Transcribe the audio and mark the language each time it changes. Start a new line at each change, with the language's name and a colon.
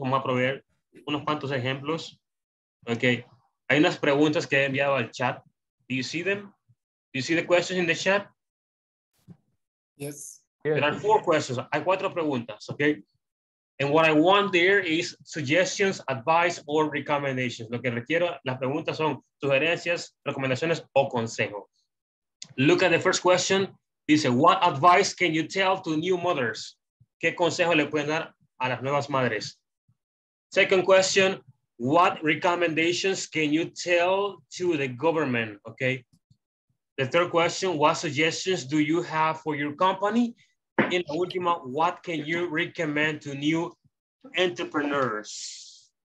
Spanish: Vamos a proveer unos cuantos ejemplos. Okay. Hay unas preguntas que he enviado al chat. Do you see them?
English: Do you see the questions in the chat? Yes. There are four questions. Hay cuatro preguntas. Okay. And what I want there is suggestions, advice, or recommendations.
Spanish: Lo que requiero, las preguntas son sugerencias, recomendaciones, o consejos.
English: Look at the first question. Dice, what advice can you tell to new mothers?
Spanish: ¿Qué consejo le pueden dar a las nuevas madres?
English: Second question, what recommendations can you tell to the government? Okay. The third question, what suggestions do you have for your company? In the última, what can you recommend to new entrepreneurs?